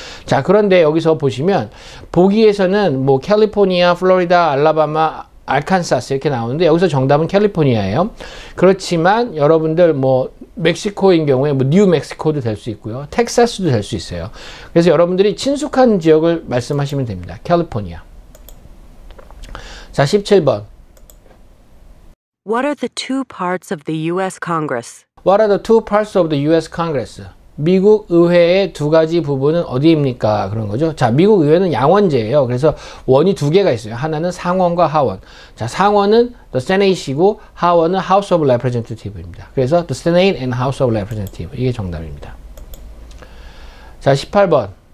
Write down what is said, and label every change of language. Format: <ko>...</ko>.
<ko>자, 그런데 여기서 보시면 보기에서는 뭐 캘리포니아, 플로리다, 알라바마, 알칸사스 이렇게 나오는데 여기서 정답은 캘리포니아예요. 그렇지만 여러분들 뭐 멕시코인 경우에 뭐 뉴멕시코도 될 수 있고요. 텍사스도 될 수 있어요. 그래서 여러분들이 친숙한 지역을 말씀하시면 됩니다. 캘리포니아. 자, 17번.</ko> <en>What are the two parts of the US Congress? What are the two parts of the US Congress?</en> <ko>미국 의회의 두 가지 부분은 어디입니까? 그런 거죠. 자, 미국 의회는 양원제예요. 그래서 원이 두 개가 있어요. 하나는 상원과 하원. 자, 상원은 the Senate이고 하원은 House of Representatives입니다. 그래서</ko> <en>the Senate and House of Representatives.</en> <ko>이게 정답입니다. 자, 18번.</ko>